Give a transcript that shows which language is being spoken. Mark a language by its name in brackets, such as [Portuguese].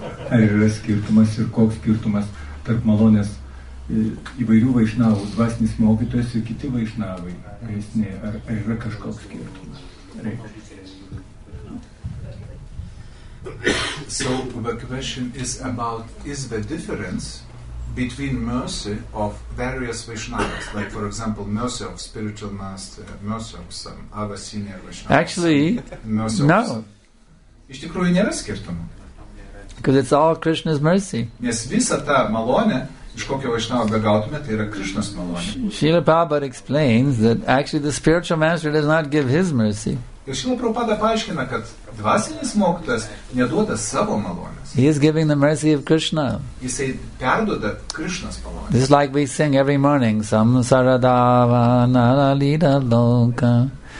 [Lithuanian] Ar yra skirtumas ir koks skirtumas tarp malonės įvairių vaišnavų, dvasinis mokytojas ir kiti vaišnavai? Ar yra kažkoks skirtumas? [English] So the question is about, is the difference between mercy of various Vaishnavas, like for example mercy of spiritual master, mercy of some other senior Vaishnavas? Actually, mercy no. [Lithuanian] Iš tikrųjų nėra skirtumų. [English] Because it's all Krishna's mercy. [Lithuanian] Nes visa ta malonė, iš kokio Vaishnava begautume, tai yra Krishna's malonė. [English] Srila Prabhupada explains that actually the spiritual master does not give his mercy. [Lithuanian] Ir Srila Prabhupada paaiškina, kad dvasinis mokytojas neduoda savo malonės. [English] He is giving the mercy of Krishna. [Lithuanian] Jisai perduoda Krishna's malonę. [English] This is like we sing every morning, Samsaradava Naralida Loka.